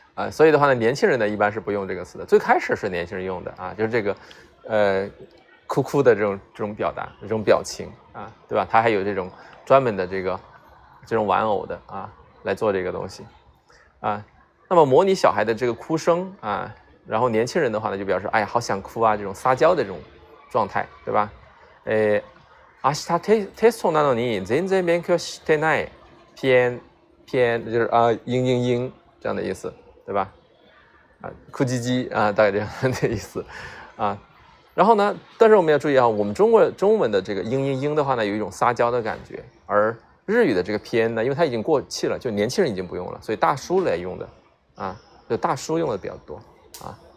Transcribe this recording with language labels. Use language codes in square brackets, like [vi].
[zh] 所以的话呢，年轻人呢一般是不用这个词的。最开始是年轻人用的啊，就是这个，哭哭的这种表达，这种表情啊，对吧？他还有这种专门的这种玩偶的啊，来做这个东西啊。那么模拟小孩的这个哭声啊，然后年轻人的话呢，就表示哎呀，好想哭啊，这种撒娇的这种状态，对吧？ [ja] 明日テストなのに全然勉強してない。 [zh] 偏就是嘤嘤嘤这样的意思。对吧？哭唧唧啊，大概这样的意思啊。然后呢，但是我们要注意啊，我们中文的这个嘤嘤嘤的话呢，有一种撒娇的感觉，而日语的这个偏呢，因为它已经过气了，就年轻人已经不用了，所以大叔来用的啊，就大叔用的比较多啊。